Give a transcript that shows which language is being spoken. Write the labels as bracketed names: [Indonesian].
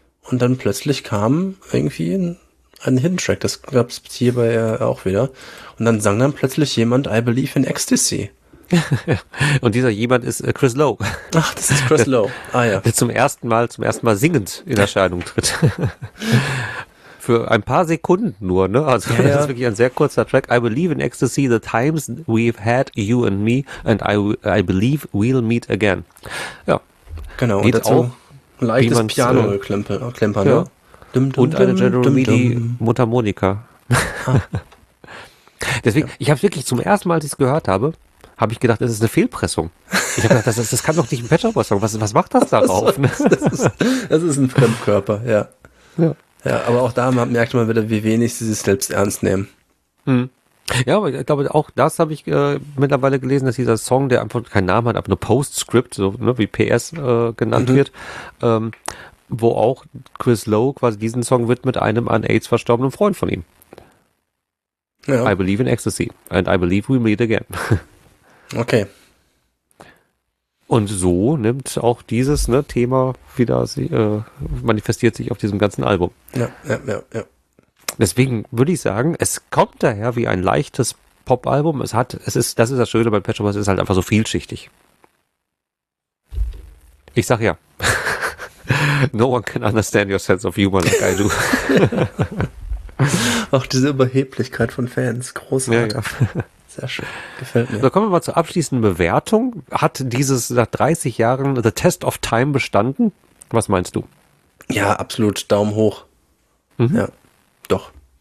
[German] Und dann plötzlich kam irgendwie ein Hidden Track, das gab es hierbei auch wieder. Und dann sang dann plötzlich jemand I Believe in Ecstasy. Und dieser jemand ist Chris Lowe. Ach, das ist Chris Lowe. Ah ja. Der zum ersten Mal singend in Erscheinung tritt. Für ein paar Sekunden nur, ne? Also das ist wirklich ein sehr kurzer Track. [English] I Believe in Ecstasy, the times we've had, you and me, and I believe we'll meet again. [German] Ja. Genau, geht und dazu ein leichtes Piano-Klimpern, ne? Und eine General Meade Mundharmonika. Deswegen, ich habe wirklich zum ersten Mal, als ich es gehört habe, habe ich gedacht, das ist eine Fehlpressung. Ich habe gedacht, das kann doch nicht ein Pet Shop Boys Song. Was macht das darauf? Das ist ein Fremdkörper, ja. Ja, aber auch da merkt man wieder, wie wenig sie sich selbst ernst nehmen. Hm. Ja, aber ich glaube, auch das habe ich mittlerweile gelesen, dass dieser Song, der einfach keinen Namen hat, aber nur Postscript, so ne, wie PS genannt wird, wo auch Chris Lowe quasi diesen Song widmet einem an AIDS verstorbenen Freund von ihm. Ja. [English] I believe in ecstasy and I believe we meet again. [German] Okay. Und so nimmt auch dieses ne, Thema wieder, manifestiert sich auf diesem ganzen Album. Ja, ja, ja, ja. Deswegen würde ich sagen, es kommt daher wie ein leichtes Pop-Album. Das ist das Schöne bei Pet Shop Boys, es ist halt einfach so vielschichtig. Ich sag ja. [English] No one can understand your sense of humor like I do. [German] Auch diese Überheblichkeit von Fans, großartig. Ja, ja. Sehr schön, gefällt mir. So, kommen wir mal zur abschließenden Bewertung. Hat dieses nach 30 Jahren [English] The Test of Time [German] bestanden? Was meinst du? Ja, absolut, Daumen hoch. Mhm. Ja. Doch.